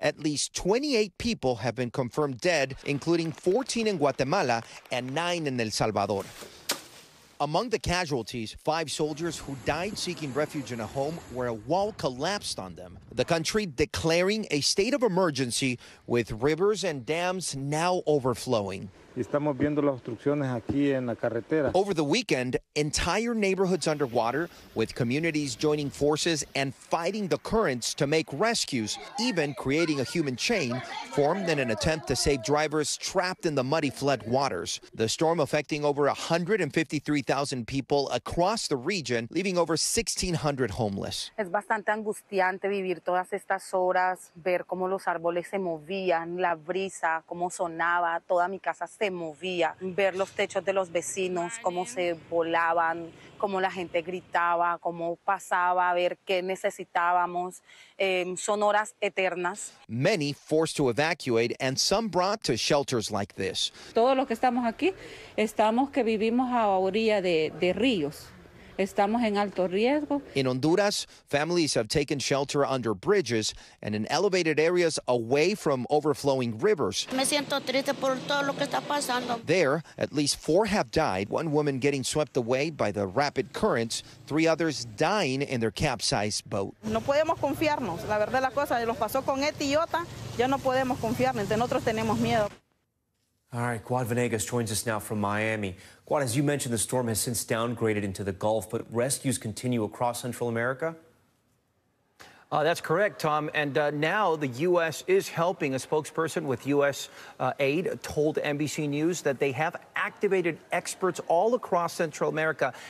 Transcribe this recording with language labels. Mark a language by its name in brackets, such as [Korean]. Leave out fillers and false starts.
[English] At least 28 people have been confirmed dead, including 14 in Guatemala and 9 in El Salvador. Among the casualties, 5 soldiers who died seeking refuge in a home where a wall collapsed on them. The country declaring a state of emergency with rivers and dams now overflowing. [Spanish] Estamos viendo las obstrucciones aquí en la carretera. [English] Over the weekend, entire neighborhoods underwater, with communities joining forces and fighting the currents to make rescues, even creating a human chain formed in an attempt to save drivers trapped in the muddy flood waters. The storm affecting over 153,000 people across the region, leaving over 1,600 homeless. [Spanish] Es bastante angustiante vivir todas estas horas, ver cómo los árboles se movían, la brisa, cómo sonaba, toda mi casa se movía, ver los techos de los vecinos, cómo se volaban, cómo la gente gritaba, cómo pasaba, a ver qué necesitábamos. Son horas eternas. [English] Many forced to evacuate and some brought to shelters like this. [Spanish] Todos los que estamos aquí estamos que vivimos a orilla de ríos. Estamos en alto riesgo. [English] In Honduras, families have taken shelter under bridges and in elevated areas away from overflowing rivers. [Spanish] Me siento triste por todo lo que está pasando. [English] There, at least 4 have died, one woman getting swept away by the rapid currents, 3 others dying in their capsized boat. [Spanish] No podemos confiarnos. La verdad la cosa, nos pasó con Eti y Ota, ya no podemos confiarnos. Nosotros tenemos miedo. [English] All right, Juan Venegas joins us now from Miami. Juan, as you mentioned, the storm has since downgraded into the Gulf, but rescues continue across Central America? That's correct, Tom. And now the U.S. is helping. A spokesperson with U.S. Aid told NBC News that they have activated experts all across Central America.